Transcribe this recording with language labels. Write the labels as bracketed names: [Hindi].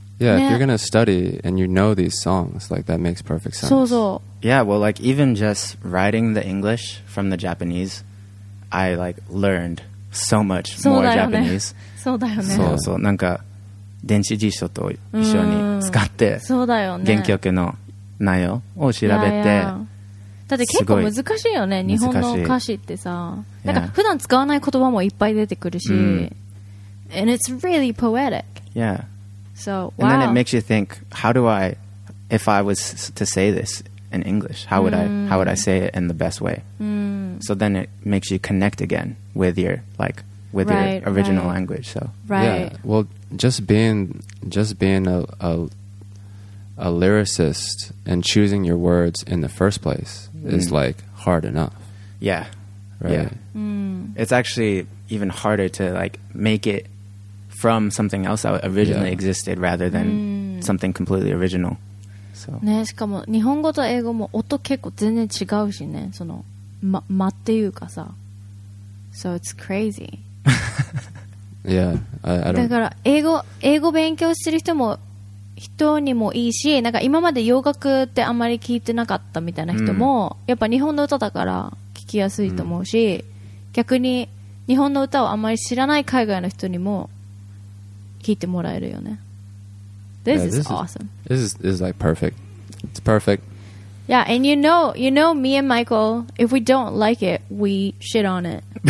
[English] Yeah, if you're going to study and you know these songs, like, that makes perfect sense. [Japanese] そうそう。 [English] Yeah, well, like, even just writing the English from the Japanese, I, like, learned so much more Japanese. [Japanese] そうだよね。そうそう。なんか、電子辞書と一緒に使って、そうだよね。原曲の内容を調べて、だって結構難しいよね、日本の歌詞ってさ。なんか、普段使わない言葉もいっぱい出てくるし、 [English] And it's really poetic. Yeah. So, wow. And then it makes you think, how do I, if I was to say this in English, how would I say it in the best way? So then it makes you connect again with your, like, with your original language. So. Right. Yeah. Well, just being a lyricist and choosing your words in the first place is, like, hard enough. Yeah. Right. Yeah. It's actually even harder to, like, make it from something else that originally existed rather than something completely original. So. [Japanese] ね、しかも日本語と英語も音結構全然違うしね。その、間っていうかさ。 [English] So it's crazy. Yeah, I don't... [Japanese] だから英語勉強してる人にもいいし、なんか今まで洋楽ってあんまり聞いてなかったみたいな人も、やっぱ日本の歌だから聞きやすいと思うし、逆に日本の歌をあんまり知らない海外の人にも、聞いてもらえるよね。 [English] This is awesome. This is like perfect. It's perfect. Yeah, and you know me and Michael, if we don't like it, we shit on it.